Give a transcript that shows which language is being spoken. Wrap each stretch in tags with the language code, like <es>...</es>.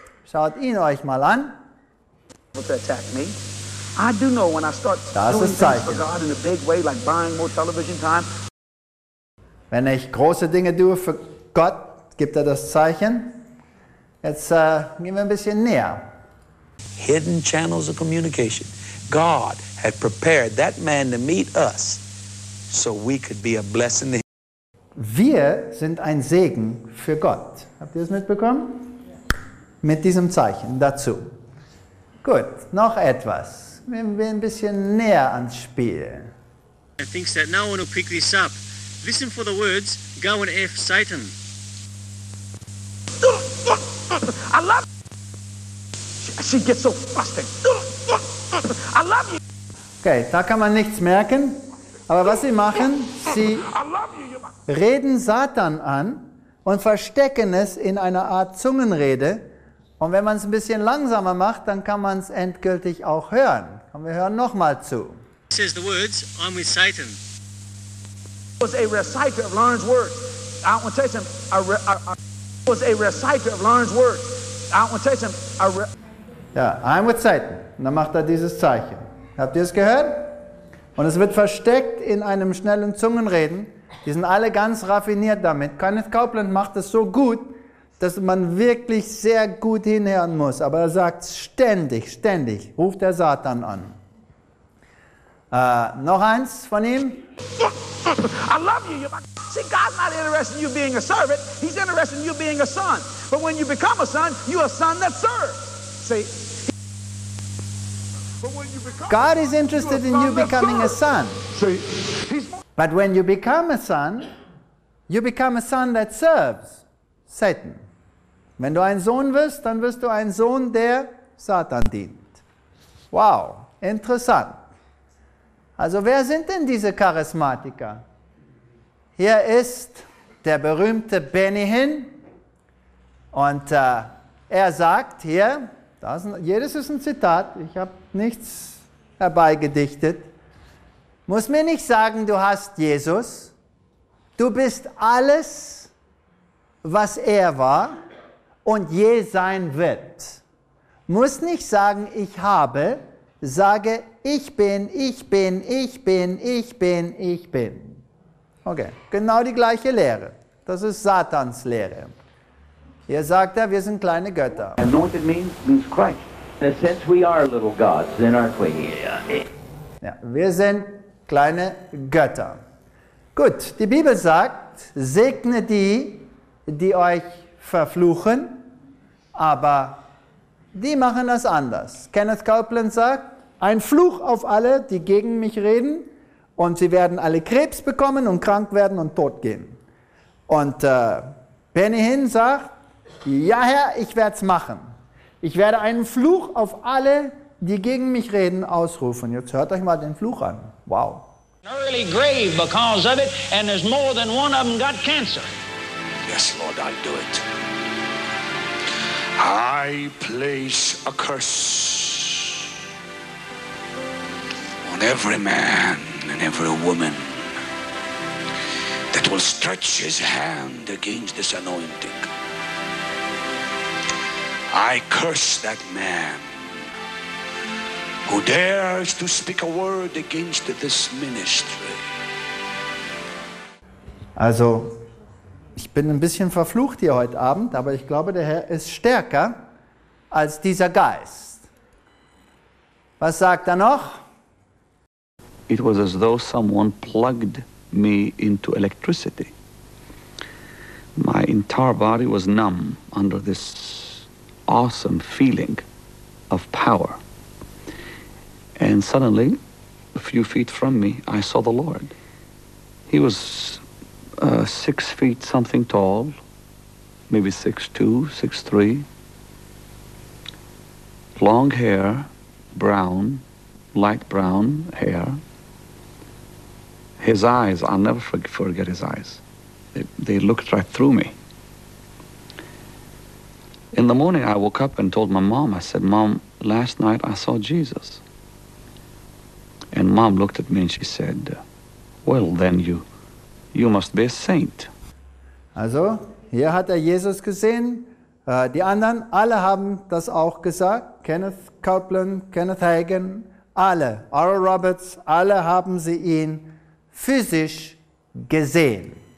<de>Schaut ihn euch mal an. Das ist Zeichen. Wenn ich große Dinge tue für Gott, gibt er das Zeichen. Jetzt gehen wir ein bisschen näher.</de> <en>Hidden channels of communication. God had prepared that man to meet us, so we could be a blessing to him.</en> <de>Wir sind ein Segen für Gott. Habt ihr es mitbekommen? Ja. Mit diesem Zeichen dazu. Gut, noch etwas. Nehmen wir ein bisschen näher ans Spiel.</de> <en>I think that no one will pick this up. Listen for the words, go and F Satan. I love... She gets so frustrated. I love you.</en> <de>Okay, da kann man nichts merken. Aber was sie machen, sie reden Satan an und verstecken es in einer Art Zungenrede. Und wenn man es ein bisschen langsamer macht, dann kann man es endgültig auch hören. Und wir hören nochmal zu.</de> <en>He says the words, I'm with Satan. Was a reciter of Lauren's words. I want to tell you something. I'm with Satan.</en> <de>Und dann macht er dieses Zeichen. Habt ihr es gehört? Und es wird versteckt in einem schnellen Zungenreden. Die sind alle ganz raffiniert damit. Kenneth Copeland macht es so gut, dass man wirklich sehr gut hinhören muss. Aber er sagt ständig, ruft der Satan an. Noch eins von ihm.</de> <en>I love you. See, God's not interested in you being a servant. He's interested in you being a son. But when you become a son, you're a son that serves. See? God is interested in you becoming a son. But when you become a son, you become a son that serves Satan.</en> <de>Wenn du ein Sohn wirst, dann wirst du ein Sohn, der Satan dient. Wow, interessant. Also wer sind denn diese Charismatiker? Hier ist der berühmte Benny Hinn und er sagt hier, jedes ist ein Zitat, ich habe nichts herbeigedichtet, muss mir nicht sagen, du hast Jesus, du bist alles, was er war und je sein wird. Muss nicht sagen, ich habe, sage, ich bin, ich bin, ich bin, ich bin, ich bin. Okay, genau die gleiche Lehre. Das ist Satans Lehre. Hier sagt er, wir sind kleine Götter.</de> <en>Anointed means Christ. In a sense we are little gods, then aren't we?</en> <de>Ja, wir sind kleine Götter. Gut, die Bibel sagt, segne die, die euch verfluchen, aber die machen das anders. Kenneth Copeland sagt, ein Fluch auf alle, die gegen mich reden, und sie werden alle Krebs bekommen und krank werden und tot gehen. Und Benny Hinn sagt, ja Herr, ich werde es machen. Ich werde einen Fluch auf alle, die gegen mich reden, ausrufen. Jetzt hört euch mal den Fluch an. Wow.</de> <en>Early grave because of it, and there's more than one of them got cancer. Yes, Lord, I'll do it. I place a curse on every man and every woman that will stretch his hand against this anointing. I curse that man who dares to speak a word against this ministry.</en> <de>Also, ich bin ein bisschen verflucht hier heute Abend, aber ich glaube, der Herr ist stärker als dieser Geist. Was sagt er noch?</de> <en>It was as though someone plugged me into electricity. My entire body was numb under this awesome feeling of power. And suddenly, a few feet from me, I saw the Lord. He was 6 feet something tall, maybe 6'2", 6'3". Long hair, brown, light brown hair. His eyes, I'll never forget his eyes. They looked right through me. In the morning, I woke up and told my mom, I said, Mom, last night I saw Jesus. And mom looked at me and she said, well, then you must be a saint.</en> <de>Also, hier hat er Jesus gesehen. Die anderen, alle haben das auch gesagt. Kenneth Copeland, Kenneth Hagin, alle. Oral Roberts, alle haben sie ihn physisch gesehen.</de>